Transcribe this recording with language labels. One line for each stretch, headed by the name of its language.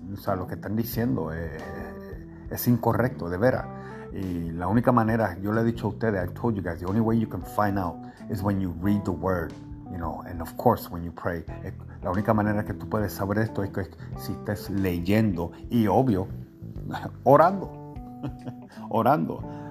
Spanish: O sea, lo que están diciendo es incorrecto, de veras. Y la única manera, yo le he dicho a ustedes,
English: I told you guys, the only way you can find out is when you read the word, you know, and of course when you pray.
Spanish: La única manera que tú puedes saber esto es que si estás leyendo y, obvio, orando, orando.